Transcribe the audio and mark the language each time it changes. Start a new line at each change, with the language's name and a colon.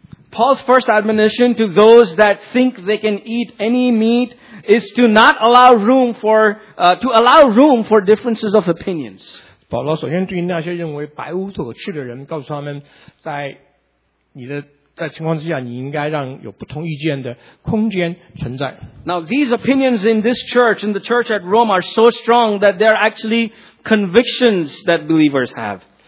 English: Paul's first admonition to those that think they can eat any meat is to not allow room for, to allow room for differences of opinions.
Chinese: 保罗首先对于那些认为白无所吃的人告诉他们在情况之下你应该让有不同意见的空间存在。
English: Now these opinions in this church, in the church at Rome are so strong that they're actually convictions that believers have.